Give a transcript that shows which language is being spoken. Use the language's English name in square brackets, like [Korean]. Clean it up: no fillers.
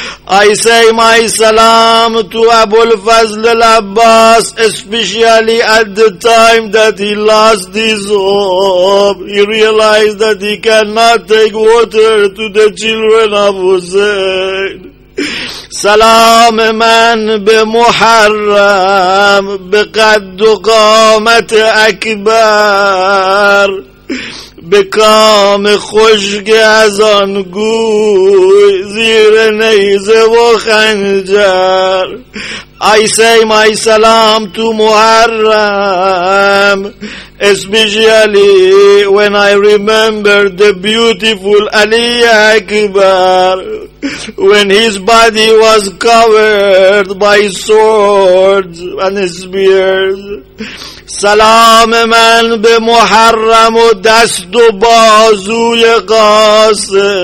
[English] I say my salam to ابوالفضل العباس, especially at the time that he lost his hope. He realized that he cannot take water to the children of Hussein. [Persian] سلام من به محرم به قد و قامت اکبر. به کام خشک از آن گوی زیر نیزه و خنجر. [English] I say my salam to Muharram, especially when I remember the beautiful Ali Akbar, when his body was covered by swords and spears. [Persian] سلام من به محرم و دست و بازوی قاسم.